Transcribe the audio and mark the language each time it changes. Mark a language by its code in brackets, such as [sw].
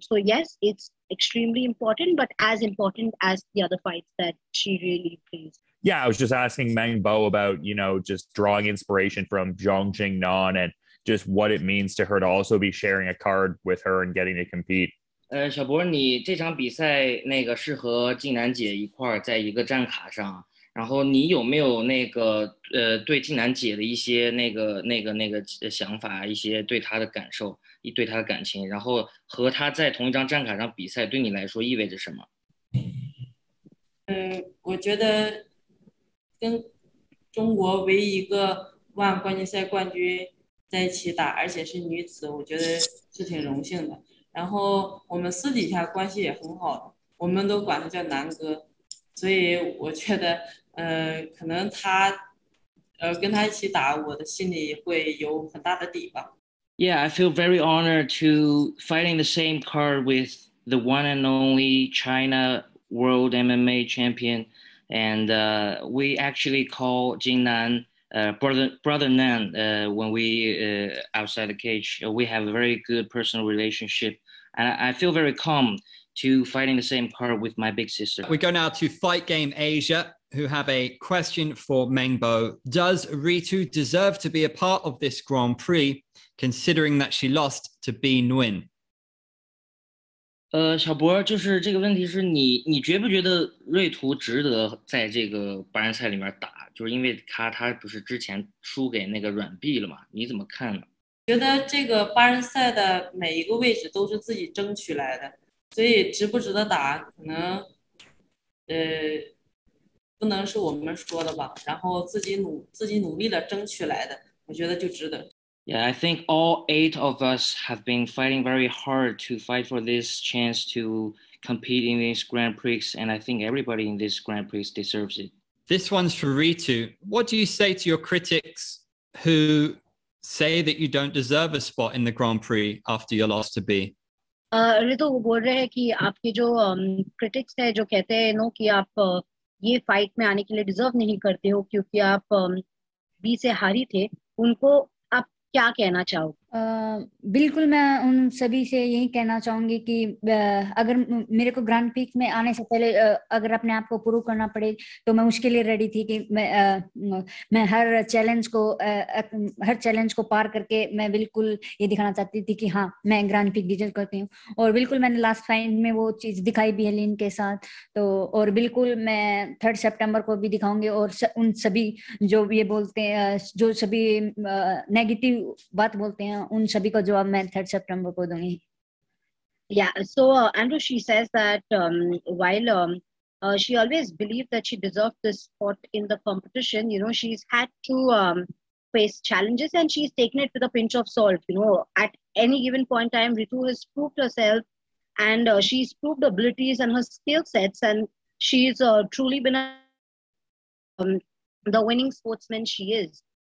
[en] So yes, it's extremely important, but as important as the other fights that she really plays. Yeah, I was just asking Meng Bo about, you know, just drawing inspiration from Zhang Jingnan and just what it means to her to also be sharing a card with her and getting to compete. [zh] 小博，你这场比赛那个是和静南姐一块在一个战卡上，然后你有没有那个对金南姐的一些那个想法，一些对她的感受，一对她的感情，然后和她在同一张战卡上比赛对你来说意味着什么？我觉得跟中国唯一一个万冠军赛冠军在一起打，而且是女子，我觉得是挺荣幸的。然后我们私底下关系也很好，我们都管他叫南哥，所以我觉得可能他跟他一起打，我的心里会有很大的底吧。 [en] Yeah, I feel very honored to fighting the same card with the one and only China World MMA champion, and we actually call Jin Nan brother Nan when we outside the cage. We have a very good personal relationship, and I feel very calm to fighting the same card with my big sister. We go now to Fight Game Asia, who have a question for Meng Bo. Does Ritu deserve to be a part of this Grand Prix, considering that she lost to Bi Nguyen? [zh] 小博，就是这个问题是你觉不觉得瑞图值得在这个八人赛里面打？就是因为他不是之前输给那个软币了嘛？你怎么看呢？觉得这个八人赛的每一个位置都是自己争取来的，所以值不值得打，可能不能是我们说的吧。然后自己努力的争取来的，我觉得就值得。 [en] Yeah, I think all eight of us have been fighting very hard to fight for this chance to compete in this Grand Prix, and I think everybody in this Grand Prix deserves it. This one's for Ritu. What do you say to your critics who say that you don't deserve a spot in the Grand Prix after your loss to B? [hi] Ritu, वो बोल रहे हैं कि आपके जो critics हैं जो कहते हैं ना कि आप ये fight में आने के लिए deserve नहीं करते हो क्योंकि आप B से हारी थे, उनको क्या कहना चाहो? बिल्कुल, मैं उन सभी से यही कहना चाहूंगी कि अगर मेरे को ग्रैंड पीक में आने से पहले अगर अपने आप को प्रूव करना पड़े तो मैं उसके लिए रेडी थी कि मैं हर चैलेंज को पार करके मैं बिल्कुल ये दिखाना चाहती थी कि हाँ, मैं ग्रैंड पीक डिजर्व करती हूँ. और बिल्कुल मैंने लास्ट फाइनल में वो चीज दिखाई भी है लीन के साथ, तो और बिल्कुल मैं 3rd September को भी दिखाऊंगी. और उन सभी जो ये बोलते हैं, जो सभी नेगेटिव बात बोलते हैं, उन सभी को जवाब मैं 3rd September को दूंगी. [en] Yeah, so Andrew, she says that while she always believed that she deserved this spot in the competition, you know, she's had to face challenges and she's taken it with a pinch of salt. You know, at any given point in time, Ritu has proved herself and she's proved abilities and her skill sets, and she's truly been the winning sportsman she is.